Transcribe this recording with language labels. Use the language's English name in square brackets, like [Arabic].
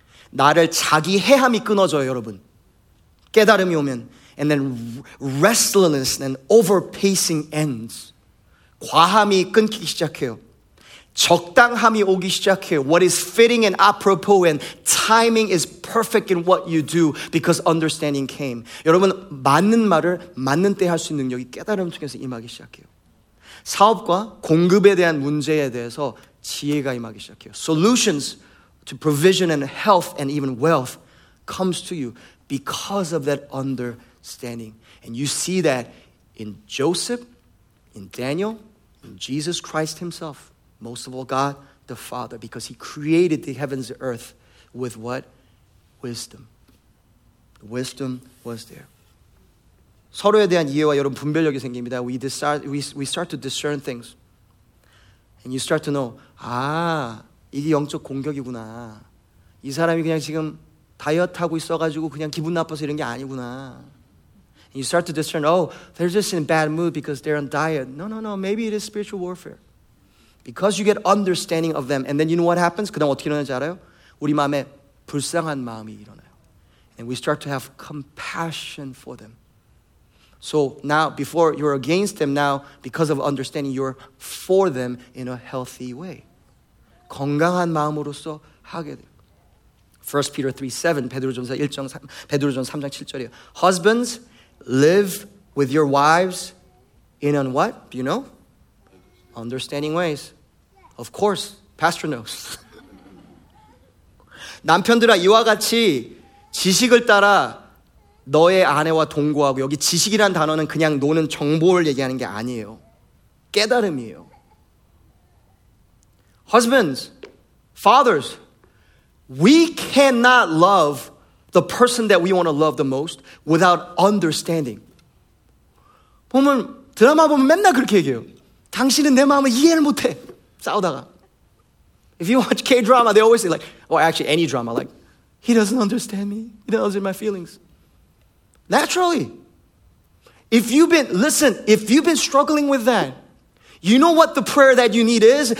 [Korean] 나를 자기 해함이 끊어져요, 여러분. 깨달음이 오면. [English] And then restlessness and overpacing ends. [Korean] 과함이 끊기기 시작해요. 적당함이 오기 시작해요. [English] What is fitting and apropos and timing is perfect in what you do because understanding came. [Korean] 여러분, 맞는 말을 맞는 때 할 수 있는 능력이 깨달음 통해서 임하기 시작해요. 사업과 공급에 대한 문제에 대해서 지혜가 임하기 시작해요. [English] Solutions to provision and health and even wealth comes to you because of that understanding. And you see that in Joseph, in Daniel, in Jesus Christ himself. Most of all, God the Father, because he created the heavens and earth with what? Wisdom. Wisdom was there. [Korean] 서로에 대한 이해와 여러분 분별력이 생깁니다. [English] We start to discern things. And you start to know, 아, [Korean] 이게 영적 공격이구나. 이 사람이 그냥 지금 다이어트하고 있어가지고 그냥 기분 나빠서 이런 게 아니구나. [English] And you start to discern, oh, they're just in a bad mood because they're on diet. No, maybe it is spiritual warfare. Because you get understanding of them. And then you know what happens? [Korean] 그 다음 어떻게 일어나는지 알아요? 우리 마음에 불쌍한 마음이 일어나요. [English] And we start to have compassion for them. So now, before you're against them, now, because of understanding, you're for them in a healthy way. [Korean] 건강한 마음으로서 하게 돼요. 1 Peter 3:7, 베드로전 3장 7절이에요. [English] Husbands, live with your wives in on what? Do you know? Understanding ways. Of course, pastor knows. [Korean] 남편들아, 이와 같이 지식을 따라 너의 아내와 동거하고, 여기 지식이란 단어는 그냥 노는 정보를 얘기하는 게 아니에요. 깨달음이에요. [English] Husbands, fathers, We cannot love the person that we want to love the most without understanding. [Korean] 보면 드라마 보면 맨날 그렇게 얘기해요. 당신은 내 마음을 이해를 못해. 싸우다가. [English] If you watch K-drama, they always say like, or actually any drama, like, he doesn't understand me. He doesn't understand my feelings. Naturally. If you've been, listen, if you've been struggling with that, you know what the prayer that you need is?